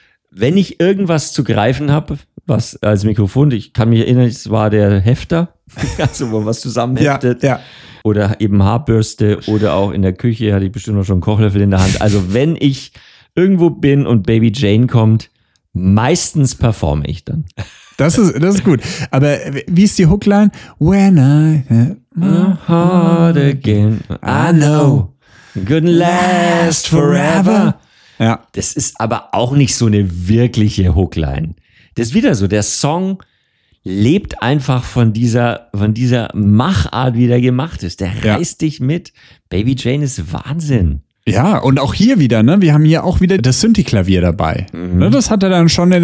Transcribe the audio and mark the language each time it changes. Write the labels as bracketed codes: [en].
[de] Wenn ich irgendwas zu greifen habe, was als Mikrofon, ich kann mich erinnern, es war der Hefter, also wo man was zusammenheftet. Ja. Oder eben Haarbürste oder auch in der Küche hatte ich bestimmt noch schon einen Kochlöffel in der Hand. Also wenn ich irgendwo bin und Baby Jane kommt, meistens performe ich dann. Das ist gut. Aber wie ist die Hookline? [en] When I hit my heart again, I know it couldn't last forever. [de] Ja. Das ist aber auch nicht so eine wirkliche Hookline. Das ist wieder so. Der Song lebt einfach von dieser Machart, wie der gemacht ist. Der reißt dich mit. Baby Jane ist Wahnsinn. Ja, und auch hier wieder, ne? Wir haben hier auch wieder das Synthi-Klavier dabei. Mhm. Das hat er dann schon in den